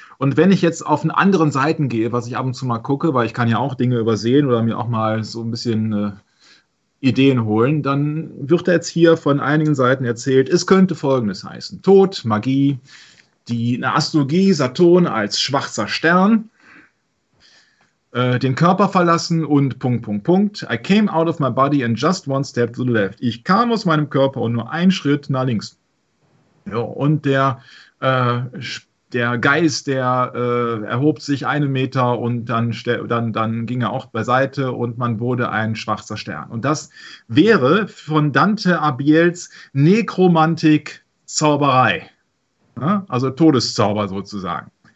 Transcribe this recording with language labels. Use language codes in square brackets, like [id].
[de] Und wenn ich jetzt auf einen anderen Seiten gehe, was ich ab und zu mal gucke, weil ich kann ja auch Dinge übersehen oder mir auch mal so ein bisschen Ideen holen, dann wird jetzt hier von einigen Seiten erzählt, es könnte Folgendes heißen. Tod, Magie, die Astrologie, Saturn als schwarzer Stern, den Körper verlassen und ... [en] I came out of my body and just one step to the left. [de] Ich kam aus meinem Körper und nur einen Schritt nach links. Ja, und der Geist, der erhob sich einen Meter und dann ging er auch beiseite und man wurde ein schwarzer Stern. Und das wäre von Dante Abiels Nekromantik-Zauberei, ja, also Todeszauber sozusagen.